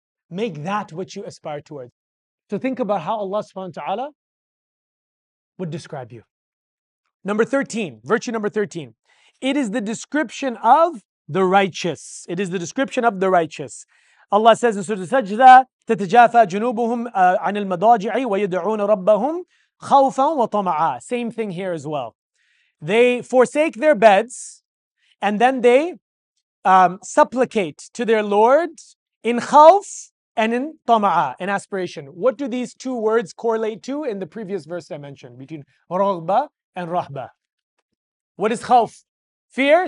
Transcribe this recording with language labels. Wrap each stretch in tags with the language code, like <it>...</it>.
<en>Make that what you aspire towards. So think about how Allah subhanahu wa ta'ala would describe you. Number 13, virtue number 13. It is the description of the righteous. It is the description of the righteous. Allah says in Surah Sajda,</en> <ar>تَتَجَافَى جُنُوبُهُمْ عَنِ الْمَضَاجِعِ وَيَدْعُونَ رَبَّهُمْ خَوْفًا وَطَمَعًا.</ar> <en>Same thing here as well. They forsake their beds and then they supplicate to their Lord in khawf and in tama'a, in aspiration. What do these two words correlate to in the previous verse I mentioned, between raghba and rahba? What is khawf? Fear.</en>